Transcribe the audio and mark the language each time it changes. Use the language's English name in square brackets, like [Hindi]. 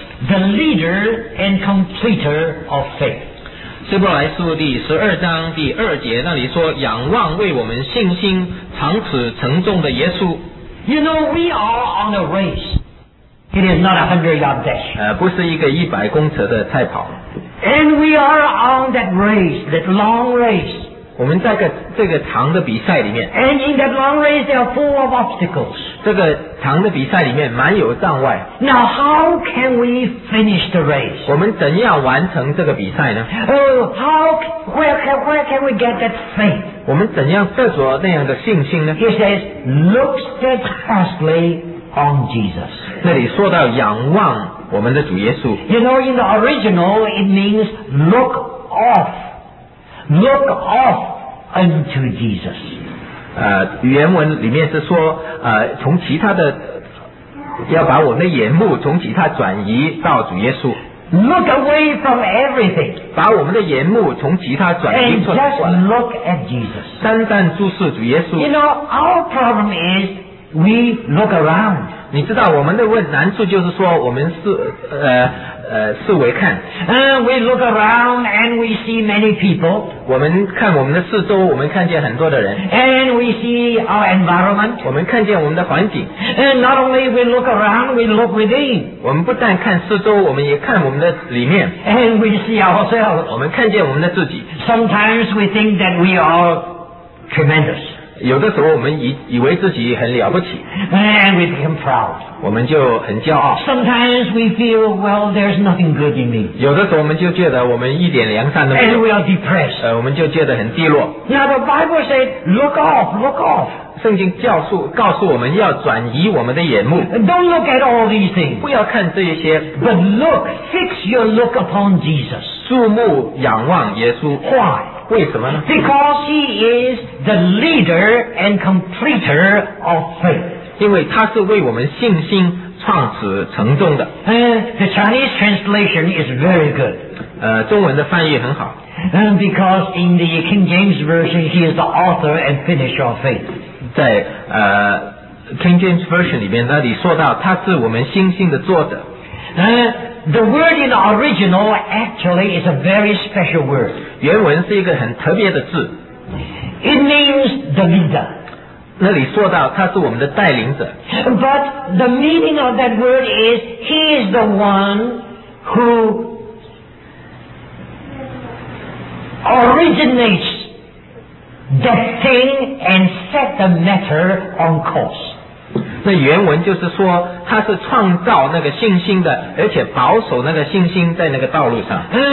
[English] The leader and completer of faith. [Chinese] 希伯来书第十二章第二节那里说，仰望为我们信心长尺承重的耶稣。 [English] You know, we are on a race. It is not a 100-yard dash. [Chinese] 不是一个一百公尺的赛跑。 [English] And we are on that race, that long race. [Chinese] 我们在这个长的比赛里面。 [English] And in that long race, they are full of obstacles. [Chinese] 这个长的比赛里面蛮有障碍。 [English] Now how can we finish the race? [Chinese] 我们怎样完成这个比赛呢？ [English] Where can we get that faith? [Chinese] 我们怎样得着那样的信心呢？ [English] He says, look steadfastly on Jesus. [Chinese] 那里说到仰望我们的主耶稣。 [English] You know, in the original, it means look off. Look off unto Jesus. [Chinese] 原文里面是说从其他的要把我们的眼目从其他转移到主耶稣。 [English] Look away from everything. [Chinese] 把我们的眼目从其他转移出来。 [English] And just look at Jesus. [Chinese] 单单注视主耶稣。 [English] You know, our problem is we look around. [Chinese] 你知道我们的难处就是说我们是四围看。 [English] We look around and we see many people. [Chinese] 我们看我们的四周，我们看见很多的人。 [English] And we see our environment. [Chinese] 我们看见我们的环境。 [English] And not only we look around, we look within. [Chinese] 我们不但看四周，我们也看我们的里面。 [English] And we see ourselves. [Chinese] 我们看见我们的自己。 [English] Sometimes we think that we are tremendous. [Chinese] 有的时候我们以为自己很了不起， [English] and we become proud. [Chinese] 我们就很骄傲。 [English] Sometimes we feel, well, there's nothing good in me. [Chinese] 有的时候我们就觉得我们一点良善都没有， [English] and we are depressed. [Chinese] 我们就觉得很低落。 [English] Now the Bible said, look off, look off. [Chinese] 圣经告诉我们要转移我们的眼目。 [English] Don't look at all these things. [Chinese] 不要看这些。 [English] But look, fix your look upon Jesus. [Chinese] 注目仰望耶稣。 [English] Why? [Chinese] 为什么呢？ [English] Because he is the leader and completer of faith. [Chinese] 因为他是为我们信心创始成终的。 [English] The Chinese translation is very good. [Chinese] 中文的翻译很好。 [English] Because in the King James Version, he is the author and finisher of faith. [Chinese] 在King James Version 里面那里说到他是我们信心的作者。 [English] The word in the original actually is a very special word. [Chinese] 原文是一个很特别的字。 [English] It means the leader. [Chinese] 那里说到他是我们的带领者。 [English] But the meaning of that word is he is the one who originates the thing and set the matter on course. [Chinese] 那原文就是说他是创造那个信心的，而且保守那个信心在那个道路上。